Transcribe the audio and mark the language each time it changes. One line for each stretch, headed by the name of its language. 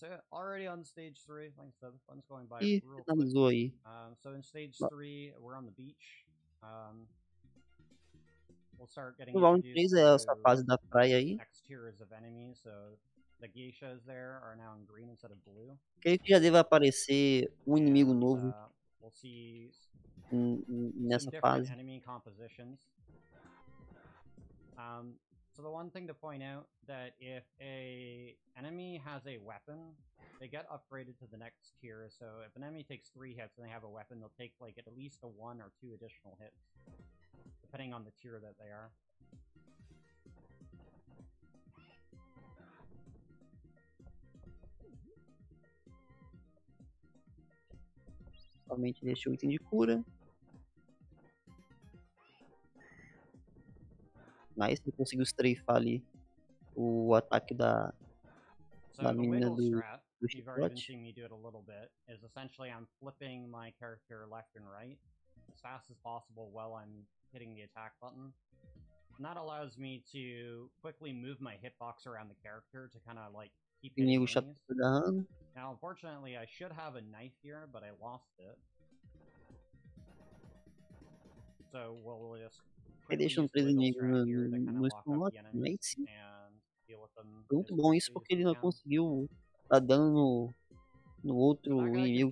English: Already on stage 3, like I said, the fun's going by real quick. So in stage 3, we're on the beach. We'll start getting introduced to next tiers of enemies. So the geishas there are now in green instead of blue.
Portuguese: Creio que já deve aparecer inimigo novo.
English: We'll see
Portuguese: nessa fase.
English: Enemy compositions. So the one thing to point out that if a enemy has a weapon, they get upgraded to the next tier. So if an enemy takes 3 hits and they have a weapon, they'll take like at least a 1 or 2 additional hits, depending on the tier that they are.
Portuguese: Somente deixou item de cura. Nice, ele conseguiu strafar ali o ataque da menina do Shiplot.
English: Is essentially I'm flipping my character left and right as fast as possible while I'm hitting the attack button. And that allows me to quickly move my hitbox around the character to kind of like keep him shut down. Now unfortunately I should have a knife here, but I lost it. So we'll just
Portuguese: aí deixa um preso inimigo no Spawnlock, mate, sim. Foi muito bom isso porque ele não conseguiu dar dano no outro inimigo